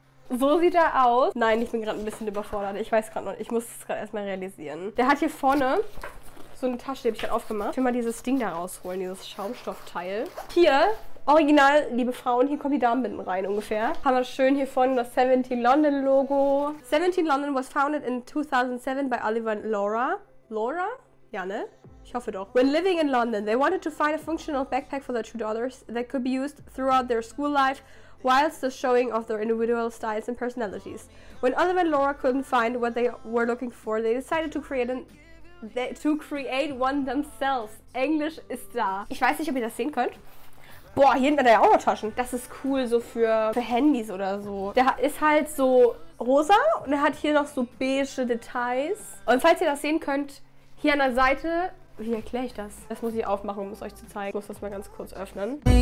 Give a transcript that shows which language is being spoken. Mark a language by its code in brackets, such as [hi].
[de] So sieht er aus. Nein, ich bin gerade ein bisschen überfordert. Ich weiß gerade noch. Ich muss es gerade erstmal realisieren. Der hat hier vorne so eine Tasche, die habe ich gerade aufgemacht. Ich will mal dieses Ding da rausholen, dieses Schaumstoffteil. Hier, original, liebe Frauen, hier kommen die Damenbinden rein ungefähr. Haben wir schön hier vorne das 17 London Logo. [en] 17 London was founded in 2007 by Oliver and Laura. Laura? [de] Ja, ne? Ich hoffe doch. [en] When living in London, they wanted to find a functional backpack for their two daughters that could be used throughout their school life whilst the showing of their individual styles and personalities. When Oliver and Laura couldn't find what they were looking for, they decided to create create one themselves. [de] Englisch ist da. Ich weiß nicht, ob ihr das sehen könnt. Boah, hier hinten hat er ja auch noch Taschen. Das ist cool so für Handys oder so. Der ist halt so rosa und er hat hier noch so beige Details. Und falls ihr das sehen könnt, hier an der Seite, wie erkläre ich das? Das muss ich aufmachen, um es euch zu zeigen. Ich muss das mal ganz kurz öffnen.